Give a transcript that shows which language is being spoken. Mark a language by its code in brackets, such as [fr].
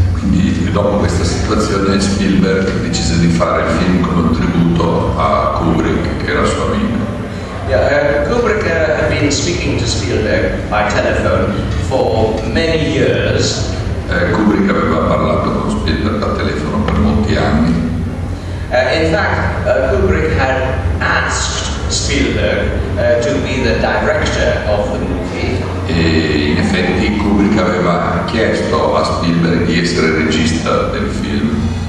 [it] Quindi dopo questa situazione Spielberg decise di fare il film come un tributo a Kubrick, che era suo amico. [en] Kubrick had been speaking to Spielberg by telephone for many years. [it] Kubrick aveva parlato con Spielberg da telefono per molti anni. [en] In fact, Kubrick had asked Spielberg to be the director of the movie. [it] E in effetti Kubrick aveva chiesto a Spielberg di essere regista del film.